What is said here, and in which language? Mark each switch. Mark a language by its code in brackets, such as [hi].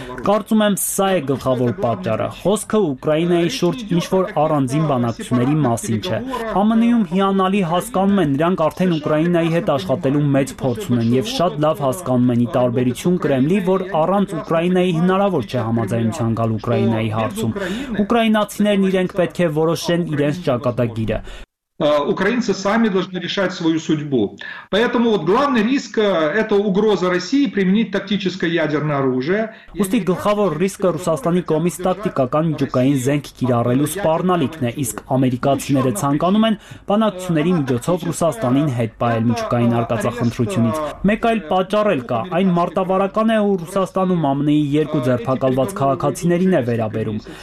[hy] Կարծում եմ, սա է գլխավոր պատճառը։ Խոսքը Ուկրաինայի շուրջ ինչ-որ առանձին բանակցությունների մասին չէ։ ԱՄՆ-ում հիանալի հասկանում են, նրանք արդեն Ուկրաինայի հետ աշխատելու մեծ փորձ ունեն եւ շատ լավ հասկանում են ի տարբերություն Կրեմլի, որ առանց Ուկրաինայի հնարավոր չէ համաձայնության գալ Ուկրաինայի հարցում։ Ուկրաինացիներն իրենք պետք է որոշեն իրենց ճակատագիրը։ [ru] Украинцы сами должны решать свою судьбу. Поэтому вот главный риск – это угроза России применить тактическое ядерное оружие. [hy] Ուստի գլխավոր ռիսկը Ռուսաստանի կողմից տակտիկական միջուկային զենք կիրառելու սպառնալիքն է, իսկ ամերիկացիները ցանկանում են բանակցությունների միջոցով Ռուսաստանին հետ պահել միջուկային արկածախնդրությունից։ Մեկ այլ պատճառ էլ կա, այն մարտավարական է ու Ռուսաստանում ԱՄՆ-ի երկու ձերբակալված քաղաքացիներին է վերաբերում։